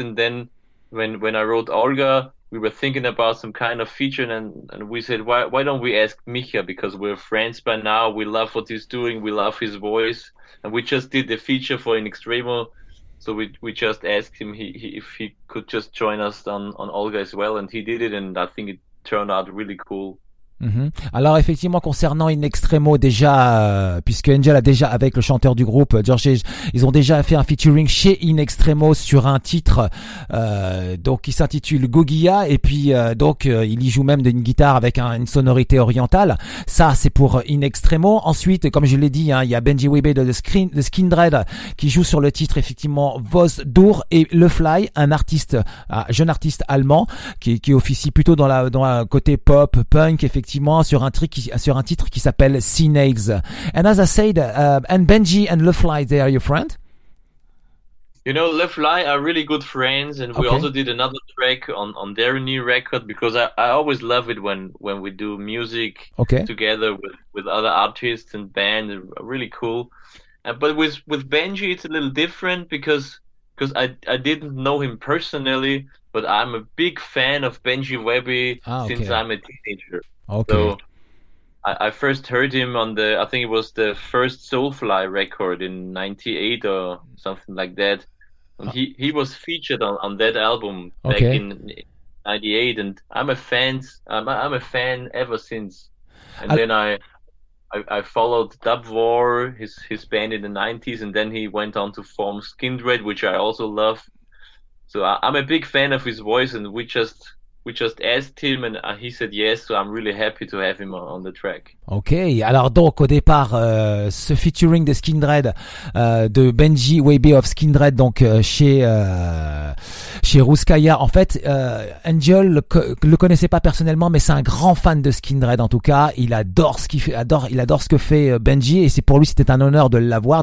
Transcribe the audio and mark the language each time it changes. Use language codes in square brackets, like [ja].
[en] And then when I wrote Olga, we were thinking about some kind of feature, and we said, why don't we ask Micha, because we're friends by now, we love what he's doing, we love his voice, and we just did the feature for In Extremo, so we just asked him if he could just join us on Olga as well, and he did it, and I think it turned out really cool. [fr] Alors effectivement, concernant In Extremo, déjà puisque Angel a déjà, avec le chanteur du groupe George, ils ont déjà fait un featuring chez In Extremo sur un titre donc qui s'intitule Gogia, et puis donc il y joue même d'une guitare avec une sonorité orientale. Ça, c'est pour In Extremo. Ensuite, comme je l'ai dit, il y a Benji Wiebe de Skindred qui joue sur le titre effectivement Vos Dur, et Le Fly, un jeune artiste allemand qui officie plutôt dans la côté pop punk, effectivement, sur un titre qui s'appelle Sea Nails. [en] And as I said, and Benji and Le Fly, they are your friend? You know, Le Fly are really good friends, and we also did another track on their new record, because I always love it when we do music together with other artists and bands. Really cool. But with Benji, it's a little different, because I didn't know him personally, but I'm a big fan of Benji Webby since I'm a teenager. Okay. So I first heard him on the, I think it was the first Soulfly record in 98 or something like that. And he was featured on that album back in 98. And I'm a fan ever since. And then I followed Dub War, his band in the 90s. And then he went on to form Skindred, which I also love. So I'm a big fan of his voice, and we just asked him, and he said yes, so I'm really happy to have him on the track. [fr] Okay, alors donc au départ, ce featuring de Skindred, de Benji Wiebe of Skindred, donc chez Ruskaya, en fait, Angel le connaissait pas personnellement, mais c'est un grand fan de Skindred en tout cas. Il adore ce que fait Benji, et c'est pour lui, c'était un honneur de l'avoir.